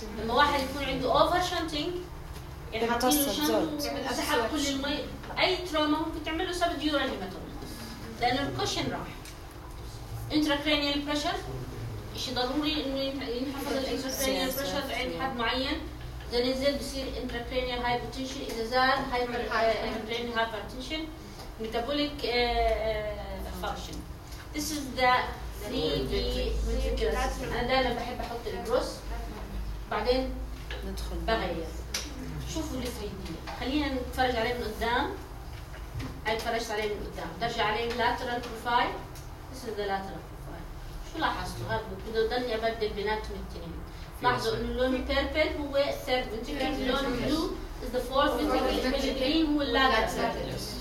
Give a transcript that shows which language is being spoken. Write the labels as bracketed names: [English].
[Arabic] لما واحد يكون عنده اوفر شنتنج يعني حاطين له شنت سحب كل المي، اي تروما ممكن تعمل له سب ديور لان الكوشن راح. انتراكرانيال بريشر شيء ضروري انه ينحفظ الانتراكرانيال بريشر عند حد معين. اذا نزل بصير انتراكرانيال هايبرتنشن، اذا زاد هايبرتنشن [English] metabolic function. This is the 3D ventricular system. [Arabic] أنا دائما بحب أحط البروس بعدين ندخل بغير. شوفوا ال 3D. خلينا نتفرج عليه من قدام. هاي تفرجت عليه من قدام. درجة عليه lateral profile. [English] This is the lateral profile. [Arabic] شو لاحظتوا؟ هذا بده يضلني أبدل بيناتهم الاثنين. لاحظوا إنه لون purple هو third ventricular. [English] لون blue is the fourth ventricular. green هو lateral.